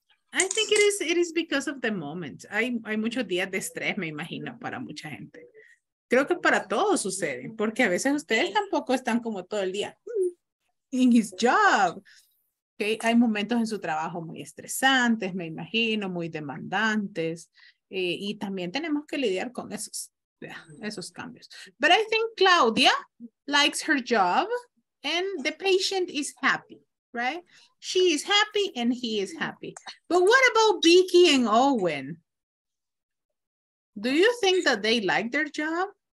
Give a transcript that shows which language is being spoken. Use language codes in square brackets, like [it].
[en] I think it is because of the moment. [es] Hay muchos días de estrés, me imagino, para mucha gente. Creo que para todos sucede, porque a veces ustedes tampoco están como todo el día [en] in his job. Okay. [es] Hay momentos en su trabajo muy estresantes, me imagino, muy demandantes. Y también tenemos que lidiar con esos cambios. [en] But I think Claudia likes her job and the patient is happy, right? She is happy and he is happy. But what about Vicky and Owen? Do you think that they like their job?